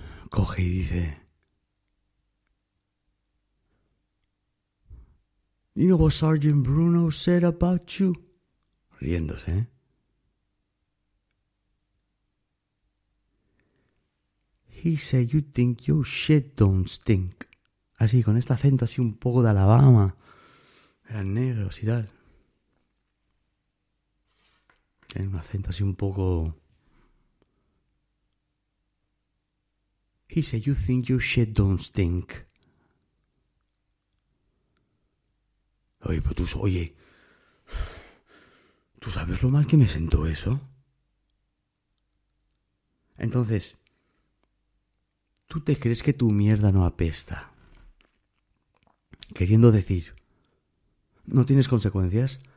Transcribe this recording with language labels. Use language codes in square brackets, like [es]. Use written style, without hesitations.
[es] Coge y dice: [en] you know what Sergeant Bruno said about you? [es] Riéndose, ¿eh? [en] He said you think your shit don't stink. [es] Así, con este acento así un poco de Alabama. Eran negros y tal. Tienen un acento así un poco... [en] He said, you think your shit don't stink. [es] Oye, pero ¿tú sabes lo mal que me sentó eso? Entonces, ¿tú te crees que tu mierda no apesta? Queriendo decir, no tienes consecuencias.